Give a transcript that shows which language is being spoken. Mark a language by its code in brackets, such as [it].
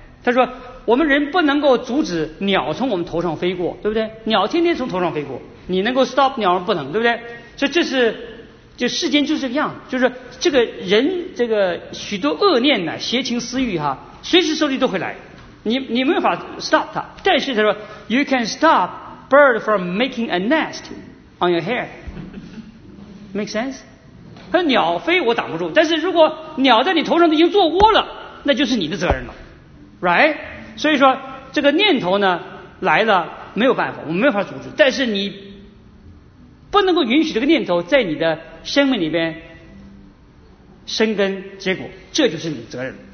[zh] 他说我们人不能够阻止鸟从我们头上飞过，对不对？鸟天天从头上飞过，你能够 stop 鸟不能，对不对？所以这是。就世间就是这个样，就是这个人这个许多恶念呢，邪情私欲哈，随时手里都会来，你没有法 stop 它。但是他说 [en] You can stop bird from making a nest on your hair. Make sense? [zh] 他说鸟飞我挡不住，但是如果鸟在你头上都已经做窝了，那就是你的责任了， right? 所以说这个念头呢来了没有办法，我们没有法阻止，但是你不能够允许这个念头在你的生命里边生根结果，这就是你的责任。